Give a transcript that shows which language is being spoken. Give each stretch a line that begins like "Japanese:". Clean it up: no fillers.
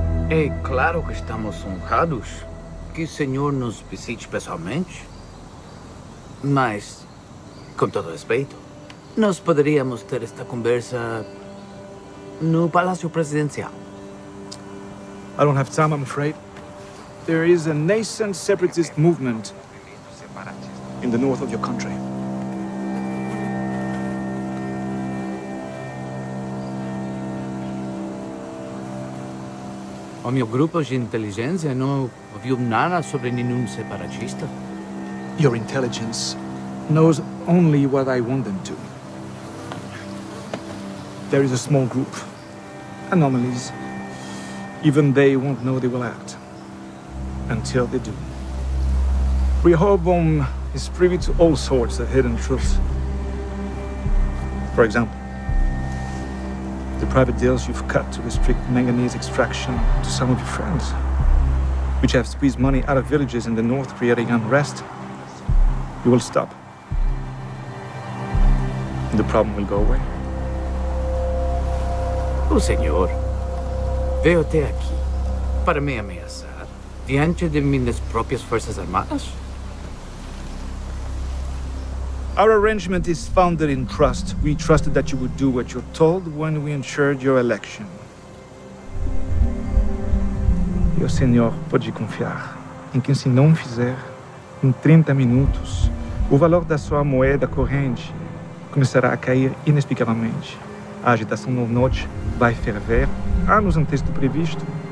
Portuguese: É claro que estamos honrados que o senhor nos visite pessoalmente. Mas, com todo respeito, nós poderíamos ter esta conversa no Palácio Presidencial.
English: I don't have time, I'm afraid. There is a nascent separatist movement in the north of your country.
Portuguese: O meu grupo de inteligência não ouviu nada sobre nenhum separatista.
English: Your intelligence knows only what I want them to. There is a small group, anomalies. Even they won't know they will act until they do. Rehoboam is privy to all sorts of hidden truths. For example, the private deals you've cut to restrict manganese extraction to some of your friends, which have squeezed money out of villages in the north, creating unrest, you will stop. And the problem will go away.
Portuguese: O senhor veio até aqui para me ameaçar diante de minhas próprias forças armadas?
English: Our arrangement is founded in trust. We trusted that you would do what you're told when we ensured your election.
Portuguese: E o senhor pode confiar em que, se não fizer, em 30 minutos, o valor da sua moeda corrente começará a cair inexplicavelmente. A agitação no norte vai ferver anos antes do previsto.